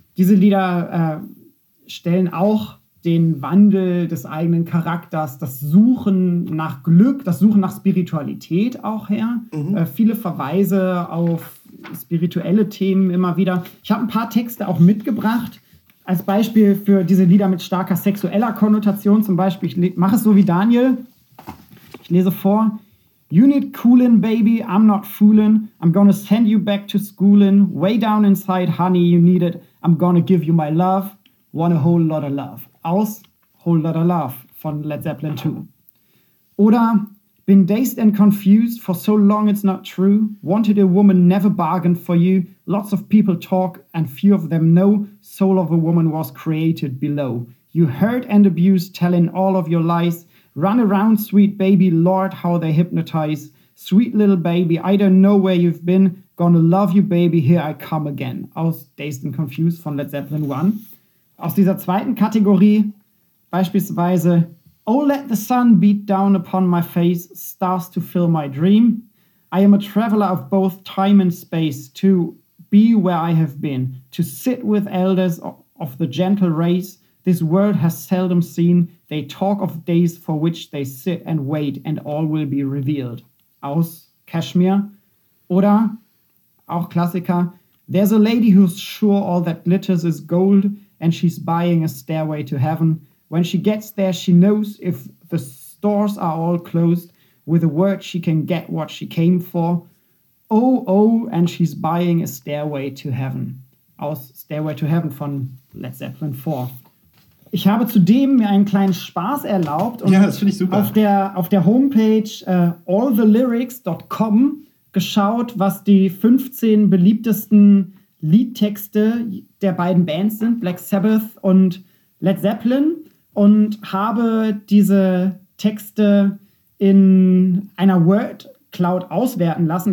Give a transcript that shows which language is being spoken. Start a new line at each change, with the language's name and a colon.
German: Diese Lieder stellen auch den Wandel des eigenen Charakters, das Suchen nach Glück, das Suchen nach Spiritualität auch her. Mhm. Viele Verweise auf spirituelle Themen immer wieder. Ich habe ein paar Texte auch mitgebracht, als Beispiel für diese Lieder mit starker sexueller Konnotation zum Beispiel. Ich mache es so wie Daniel. Ich lese vor.
English: You need coolin', baby, I'm not foolin'. I'm gonna send you back to schoolin'. Way down inside, honey, you need it. I'm gonna give you my love. Want a whole lot of love. Aus Whole Lotta Love von Led Zeppelin 2. Oder been dazed and confused for so long it's not true. Wanted a woman, never bargained for you. Lots of people talk and few of them know. Soul of a woman was created below. You hurt and abused, telling all of your lies. Run around, sweet baby, Lord, how they hypnotize. Sweet little baby, I don't know where you've been. Gonna love you, baby, here I come again.
German: Aus Dazed and Confused von Led Zeppelin 1. Aus dieser zweiten Kategorie beispielsweise
English: Oh, let the sun beat down upon my face, stars to fill my dream. I am a traveler of both time and space, to be where I have been, to sit with elders of the gentle race this world has seldom seen. They talk of days for which they sit and wait, and all will be revealed.
German: Aus Kashmir. Oder auch Klassiker,
English: there's a lady who's sure all that glitters is gold, and she's buying a stairway to heaven. When she gets there, she knows if the stores are all closed, with a word she can get what she came for. Oh, oh, and she's buying a stairway to heaven.
German: Aus Stairway to Heaven von Led Zeppelin 4. Ich habe zudem mir einen kleinen Spaß erlaubt und ja, das finde ich super. Auf der Homepage alltheLyrics.com geschaut, was die 15 beliebtesten Liedtexte der beiden Bands sind, Black Sabbath und Led Zeppelin, und habe diese Texte in einer Word Cloud auswerten lassen.